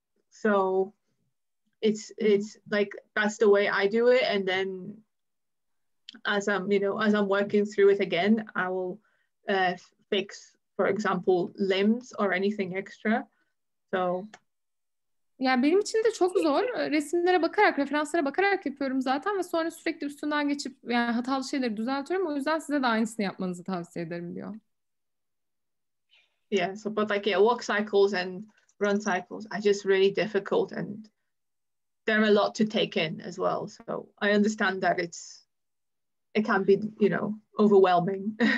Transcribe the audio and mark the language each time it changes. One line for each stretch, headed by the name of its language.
English: So it's like that's the way I do it, and then as I'm working through it again, I will fix, for example, limbs or anything extra. So
Turkish: yani benim için de çok zor. Resimlere bakarak, referanslara bakarak yapıyorum zaten ve sonra sürekli üstünden geçip yani hatalı şeyleri düzeltiyorum. O yüzden size de aynısını yapmanızı tavsiye ederim diyor.
English: Yeah, so but like walk cycles and run cycles are just really difficult and there are a lot to take in as well, so I understand that it can be overwhelming.